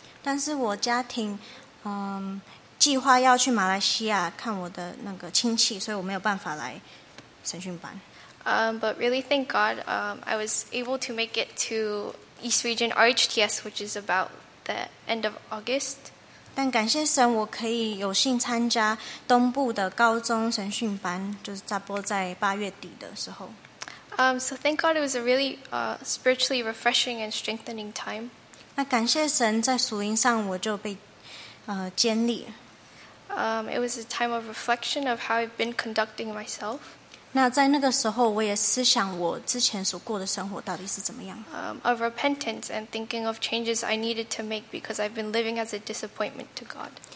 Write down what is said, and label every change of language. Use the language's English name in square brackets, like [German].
[Chinese] 但是我家庭，计划要去马来西亚看我的那个亲戚，所以我没有办法来神训班。 [English] But really, thank God, I was able to make it to East Region RHTS, which is about the end of August. [Chinese] 但感谢神，我可以有幸参加东部的高中神训班，就是差不多在八月底的时候。 [English] So thank God, it was a really spiritually refreshing and strengthening time. [Chinese] 那感谢神，在属灵上我就被建立。 [English] It was a time of reflection of how I've been conducting myself. [Chinese] 那在那个时候，我也思想我之前所过的生活到底是怎么样。 [English] Of repentance and thinking of changes I needed to make because I've been living as a disappointment to God.